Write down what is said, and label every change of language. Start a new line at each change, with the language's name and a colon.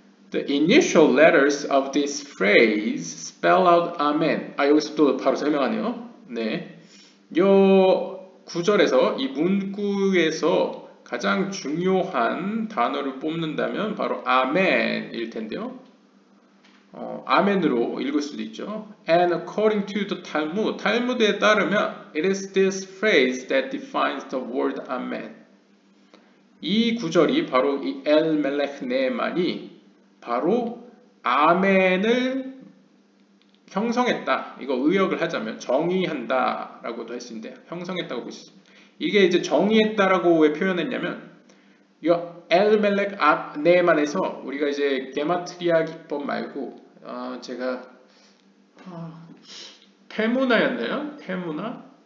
English: The initial letters of this phrase spell out Amen.
Korean: 아, 여기서 또 바로 설명하네요. 네. 이 구절에서, 이 문구에서 가장 중요한 단어를 뽑는다면 바로 Amen일 텐데요. Amen으로 읽을 수도 있죠.
English: And according to the Talmud,
Korean: 탈무드에 따르면
English: It is this phrase that defines the word Amen.
Korean: 이 구절이 바로 이 엘 멜렉 네만이 바로 아멘을 형성했다. 이거 의역을 하자면 정의한다라고도 할수 있는데 형성했다고 볼수 있습니다. 이게 이제 정의했다라고 왜 표현했냐면 이 엘멜렉 네만에서 우리가 이제 게마트리아 기법 말고 제가 테무나였나요? 테무나?